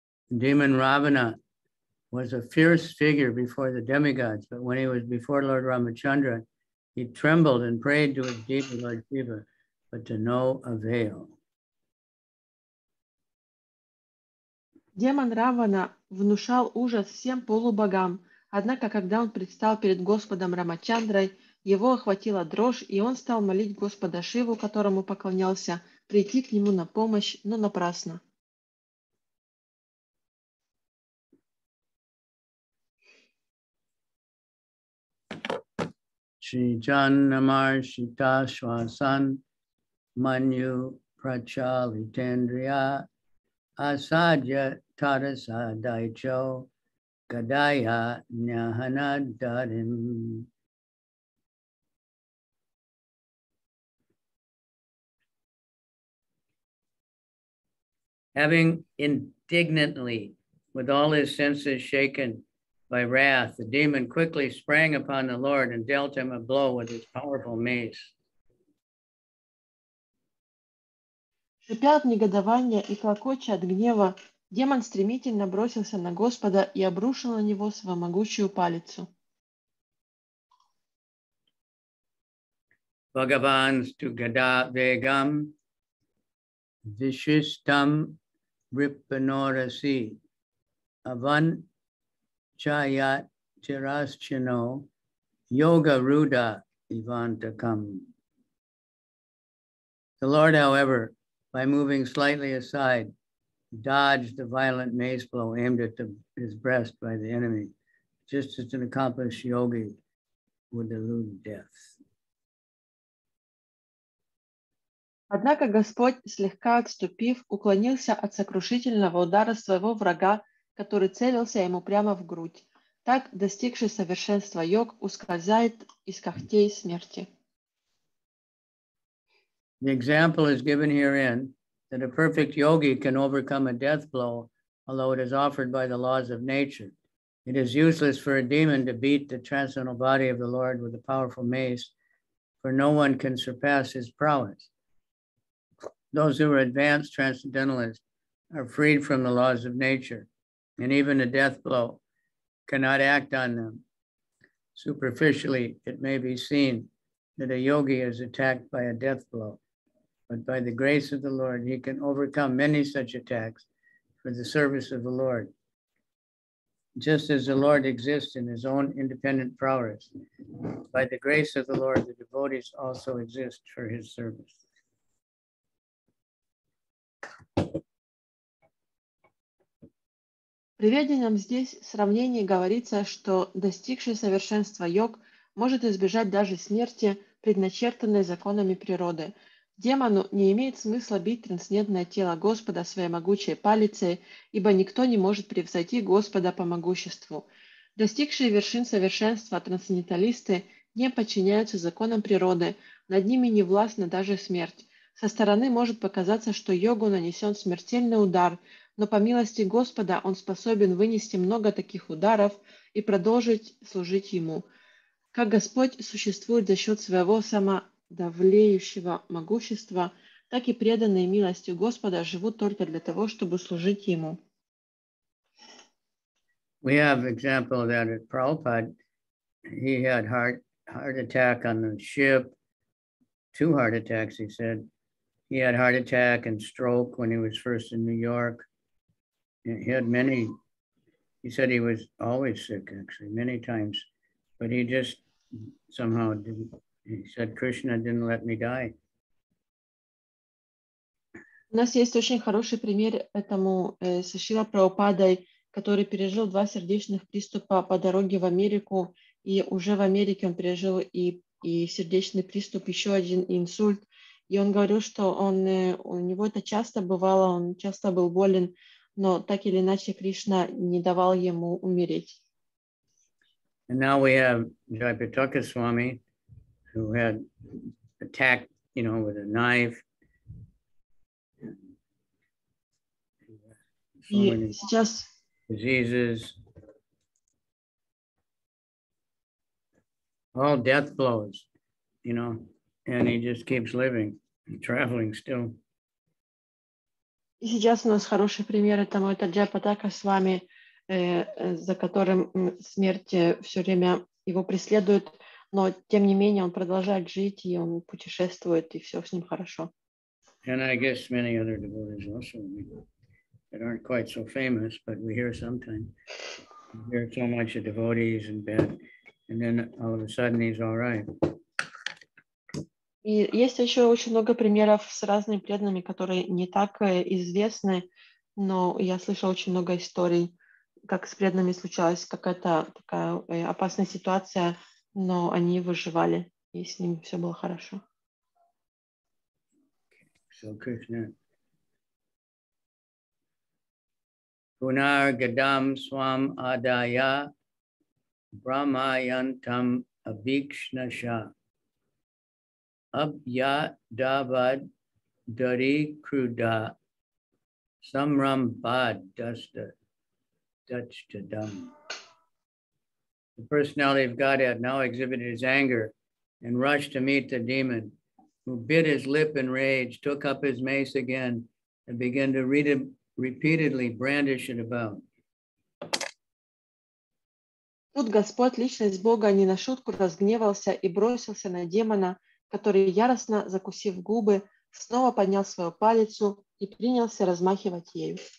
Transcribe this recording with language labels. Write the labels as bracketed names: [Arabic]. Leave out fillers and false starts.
[English] Demon Ravana was a fierce figure before the demigods, but when he was before Lord Ramachandra, he trembled and prayed to his deity, Lord Shiva, but to no avail. [Russian] Демон Равана внушал ужас всем полубогам, однако когда он предстал перед Господом Рамачандрой, его охватила дрожь, и он стал молить Господа Шиву, которому поклонялся, прийти к нему на помощь, но напрасно. [Sanskrit] Shri Janamarshita Shwasan Manyu Prachalitendriya Asadya Tarasadaicho Gadaya Nyahanadarim. [English] Having indignantly, with all his senses shaken, by wrath, the demon quickly sprang upon the Lord and dealt him a blow with his powerful mace. [Russian] Шипя от негодования и клокоча от гнева, демон стремительно бросился на Господа и обрушил на него свою могучую палицу. [Sanskrit] Bhagavan stugada vegam Vishistam Ripanorasi Avan Chayat Chiraschino Yoga Ruda Ivantakam. [English] The Lord, however, by moving slightly aside, dodged the violent mace blow aimed at his breast by the enemy, just as an accomplished yogi would elude death. [Russian] Однако Господь, слегка отступив, уклонился от сокрушительного удара своего врага, который целился ему прямо в грудь. Так, достигший совершенства йог, ускользает из когтей смерти. [English] The example is given herein that a perfect yogi can overcome a death blow, although it is offered by the laws of nature. It is useless for a demon to beat the transcendental body of the Lord with a powerful mace, for no one can surpass his prowess. Those who are advanced transcendentalists are freed from the laws of nature, and even a death blow cannot act on them. Superficially, it may be seen that a yogi is attacked by a death blow, but by the grace of the Lord, he can overcome many such attacks for the service of the Lord. Just as the Lord exists in his own independent prowess, by the grace of the Lord, the devotees also exist for his service. [Russian] В приведенном здесь сравнении говорится, что достигший совершенства йог может избежать даже смерти, предначертанной законами природы. Демону не имеет смысла бить трансцендентное тело Господа своей могучей палицей, ибо никто не может превзойти Господа по могуществу. Достигшие вершин совершенства трансценденталисты не подчиняются законам природы, над ними не властна даже смерть. Со стороны может показаться, что йогу нанесен смертельный удар, но по милости Господа он способен вынести много таких ударов и продолжить служить ему. Как Господь существует за счет своего самодавлеющего могущества, так и преданные милостью Господа живут только для того, чтобы служить ему. [English] We have example that at Prabhupada, he had heart attack on the ship, two heart attacks, he said. He had heart attack and stroke when he was first in New York. He had many, he said he was always sick, actually, many times, but he just somehow didn't, he said, Krishna didn't let me die. [Russian] У нас есть очень хороший пример этому со Шрила Прабхупадой, который пережил два сердечных приступа по дороге в Америку, и уже в Америке он пережил и сердечный приступ, еще один инсульт, и он говорил, что он у него это часто бывало, он часто был болен, но так или иначе Кришна не давал ему умереть. [English] And now we have Jayapataka Swami, who had attacked, you know, with a knife. [Russian] Сейчас [English] diseases, all death blows, you know, and he just keeps living and traveling still. [Russian] И сейчас у нас хороший пример этому, это Джайпатака с вами, за которым смерть все время его преследует, но тем не менее он продолжает жить, и он путешествует, и все с ним хорошо. [English] And I guess many other devotees also, that aren't quite so famous, but we hear sometimes, we hear so much of devotees in bed, and then all of a sudden he's all right. [Russian] И есть еще очень много примеров с разными преданными, которые не так известны, но я слышал очень много историй, как с преданными случалась какая-то такая опасная ситуация, но они выживали, и с ними все было хорошо. [English] So Krishna. [Sanskrit] Punar gadam swam adaya brahmayantam abhikshnasha. Abhya Davad Dari Kruda Samram Bad Dasta Dachtadam. [English] The personality of Godhead now exhibited his anger and rushed to meet the demon, who bit his lip in rage, took up his mace again, and began to repeatedly brandish it about. [Russian] Тут Господь, личность Бога, не на шутку разгневался и бросился на демона, который, яростно закусив губы, снова поднял свою палицу и принялся размахивать ею.